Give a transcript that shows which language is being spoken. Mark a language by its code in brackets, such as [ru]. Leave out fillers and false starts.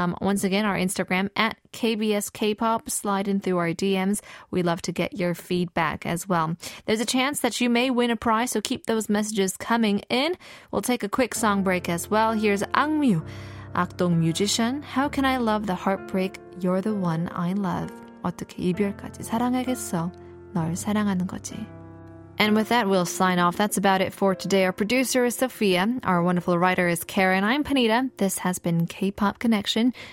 [en] Once again, our Instagram @KBSKpop. Slide in through our DMs. We love to get your feedback as well. There's a chance that you may win a prize, so keep those messages coming in. We'll take a quick song break as well. Here's Ang Myu, 악동 musician. How can I love the heartbreak? You're the one I love. [ko] 어떻게 이별까지 사랑하겠어? 널 사랑하는 거지. [en] And with that, we'll sign off. That's about it for today. Our producer is Sophia. Our wonderful writer is Karen. I'm Panita. This has been K-Pop Connection.